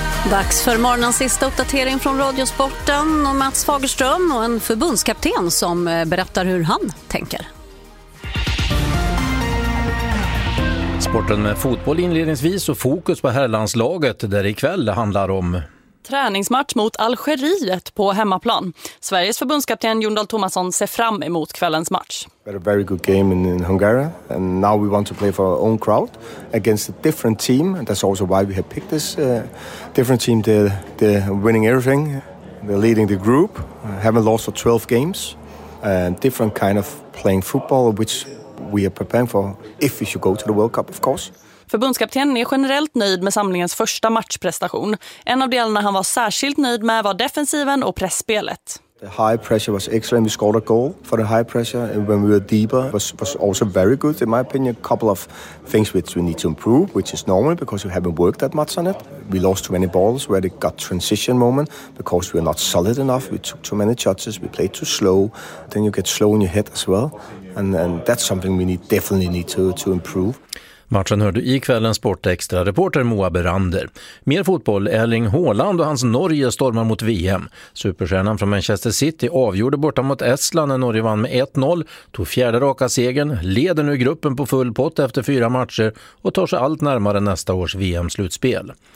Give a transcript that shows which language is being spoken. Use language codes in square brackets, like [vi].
[sv] Dags för morgonens sista uppdatering från Radiosporten och Mats Fagerström och en förbundskapten som berättar hur han tänker. Sporten med fotboll inledningsvis och fokus på herrlandslaget där ikväll handlar om träningsmatch mot Algeriet på hemmaplan. Sveriges förbundskapten Jon Dahl Tomasson ser fram emot kvällens match. [en] We had a very good game in Hungary and now we want to play for our own crowd against a different team and that's also why we have picked this different team. They're winning everything, they're leading the group, haven't lost for 12 games and different kind of playing football which we are preparing for if we should go to the World Cup of course. [sv] Förbundskaptenen är generellt nöjd med samlingens första matchprestation. En av delarna han var särskilt nöjd med var defensiven och pressspelet. [en] The high pressure was excellent. We scored a goal for the high pressure and when we were deeper was also very good in my opinion. A couple of things which we need to improve, which is normal because we haven't worked that much on it. We lost too many balls where they got transition moment because we are not solid enough. We took too many touches, we played too slow. Then you get slow in your head as well and that's something we definitely need to improve. [sv] Matchen hör du i kvällens Sportextra, reporter Moa Berander. Mer fotboll, Erling Haaland och hans Norge stormar mot VM. Superstjärnan från Manchester City avgjorde borta mot Estland när Norge vann med 1-0, tog fjärde raka segern, leder nu gruppen på full pott efter fyra matcher och tar sig allt närmare nästa års VM-slutspel.